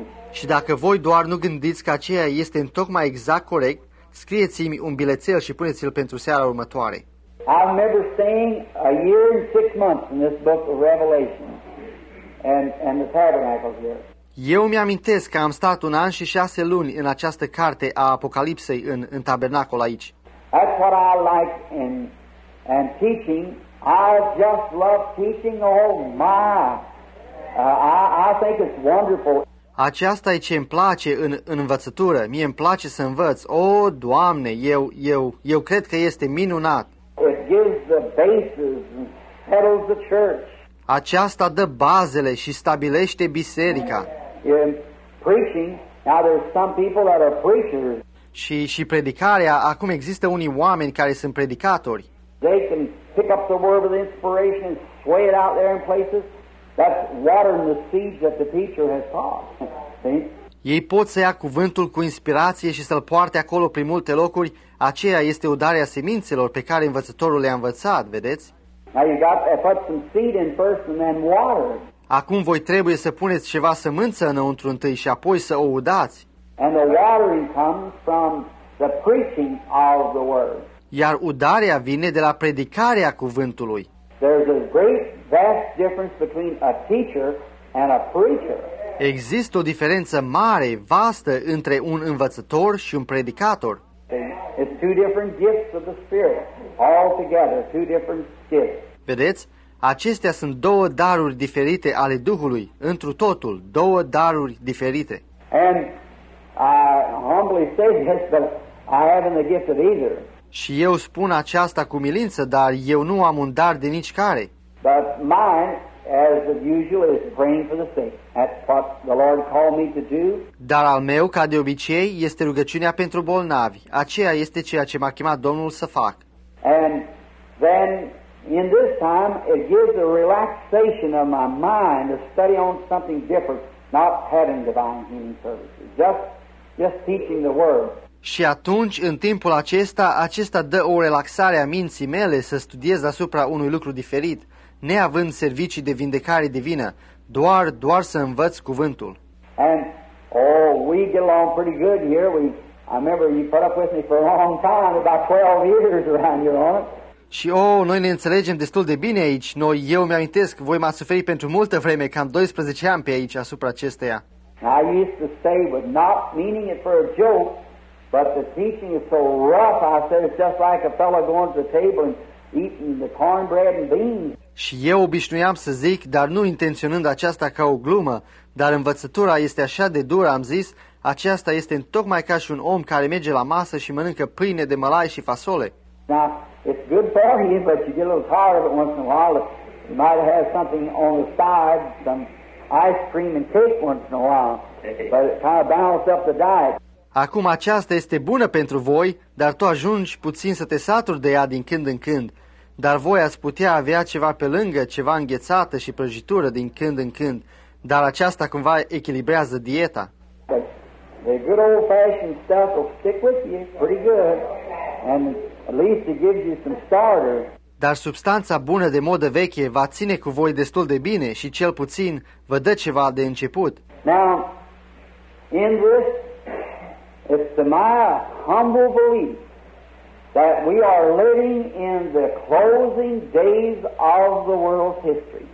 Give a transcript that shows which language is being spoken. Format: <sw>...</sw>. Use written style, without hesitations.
<ro>Și dacă voi doar nu gândiți că aceea este în tocmai exact corect, scrieți-mi un bilețel și puneți-l pentru seara următoare.</ro> <en>I remember staying a year and six months in this book of Revelation and the tabernacles here.</en> <ro>Eu mi-amintesc că am stat un an și șase luni în această carte a Apocalipsei în tabernacol aici.</ro> <en>That's what I like in teaching. I just love teaching. Oh my! I think it's wonderful.</en> <ro>Aceasta e ce îmi place în învățătură. Mie îmi place să învăț. O, Doamne, eu cred că este minunat.</ro> <en>It gives the basis and settles the church.</en> <ro>Aceasta dă bazele și stabilește biserica.</ro> <en>In preaching, now there's some people that are preachers.</en> <ro>Și predicarea, acum există unii oameni care sunt predicatori.</ro> <en>They can pick up the word with inspiration and sway it out there in places. That's watering the seeds that the teacher has taught.</en> <ro>Ei pot să ia cuvântul cu inspirație și să-l poarte acolo prin multe locuri. Aceea este udarea semințelor pe care învățătorul le-a învățat, vedeți?</ro> <en>Now you got to put some seed in first and then water.</en> <ro>Acum voi trebuie să puneți ceva sămânță înăuntru întâi și apoi să o udați.</ro> <en>And the watering comes from the preaching of the word.</en> <ro>Iar udarea vine de la predicarea cuvântului.</ro> <en>There's a great vast difference between a teacher and a preacher.</en> <ro>Există o diferență mare, vastă între un învățător și un predicator.</ro> <en>It's two different gifts of the Spirit all together, two different gifts.</en> <ro>Vedeți? Acestea sunt două daruri diferite ale Duhului, întru totul, două daruri diferite.</ro> <en>And I humbly say this, but I haven't the gift of either.</en> <ro>Și eu spun aceasta cu umilință, dar eu nu am un dar de nici care.</ro> <en>But mine, as usual, is praying for the sick. That's what the Lord called me to do.</en> <ro>Dar al meu, ca de obicei, este rugăciunea pentru bolnavi. Aceea este ceea ce m-a chemat Domnul să fac.</ro> <en>And then, in this time, it gives a relaxation of my mind to study on something different, not having divine healing services, just teaching the word.</en> <ro>Și atunci, în timpul acesta dă o relaxare a minții mele să studiez asupra unui lucru diferit, neavând servicii de vindecare divină, doar să învăț cuvântul.</ro> <en>And, we get along pretty good here. I remember you put up with me for a long time, about 12 years around here, on it.</en> <ro>Și, noi ne înțelegem destul de bine aici. Eu mi-amintesc, voi m-ați suferit pentru multă vreme, cam 12 ani pe aici, asupra acesteia.</ro> <en>I used to say, but not meaning it for a joke, but the teaching is so rough, I said, it's just like a fellow going to the table and eating the cornbread and beans.</en> <ro>Și eu obișnuiam să zic, dar nu intenționând aceasta ca o glumă, dar învățătura este așa de dură, am zis, aceasta este tocmai ca și un om care merge la masă și mănâncă pâine de mălai și fasole.</ro> <en>Now, it's good for you, but you get a little tired of it once in a while. You might have something on the side, some ice cream and cake once in a while, but it kind of balanced up the diet.</en> <ro>Acum aceasta este bună pentru voi, dar tu ajungi puțin să te saturi de ea din când în când. Dar voi ați putea avea ceva pe lângă, ceva înghețată și prăjitură din când în când. Dar aceasta cumva echilibrează dieta.</ro> <en>The good old fashioned stuff will stick with you pretty good, and at least it gives you some starter.</en> <ro>Dar substanța bună de modă veche va ține cu voi destul de bine și cel puțin vă dă ceva de început.</ro> <en>Now, in this, it's my humble belief that we are living in the closing days of the world's history.</en>